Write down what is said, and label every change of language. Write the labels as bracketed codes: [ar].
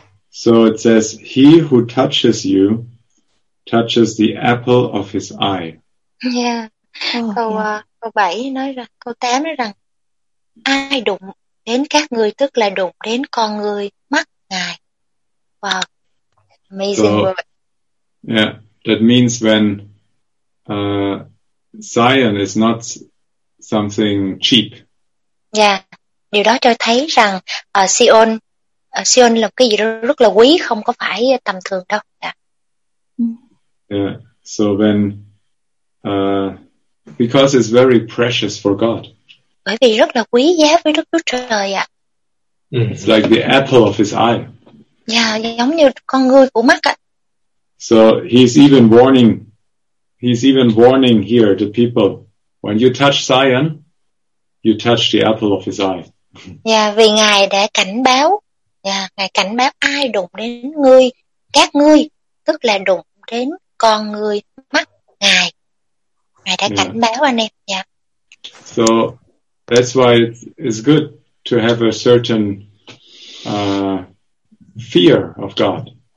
[en] So it says, he who touches you touches the apple of his eye. [vi] Yeah. Câu 7 nói rằng, câu 8 nói rằng, ai đụng đến các người, tức là đụng đến con người mắt ngài. [en] Wow, amazing so, word. Yeah, that means when Zion is not something cheap. [vi] Yeah, điều đó cho thấy rằng Sion là cái gì đó rất là quý, không có phải tầm thường đâu. Yeah, yeah. [en] So when because it's very precious for God. [vi] Bởi vì rất là quý giá với Đức Chúa Trời ạ. Yeah. [en] It's like the apple of his eye. [vi] Yeah, giống như con ngươi của mắt ạ. [en] So he's even warning here the people, when you touch Zion, you touch the apple of his eye. [vi] Yeah, vì ngài đã cảnh báo. Yeah, ngài cảnh báo ai đụng đến ngươi, các ngươi, tức là đụng đến con ngươi mắt ngài. Ngài đã cảnh báo anh em. Yeah. [en] So that's why it's good to have a certain fear of God.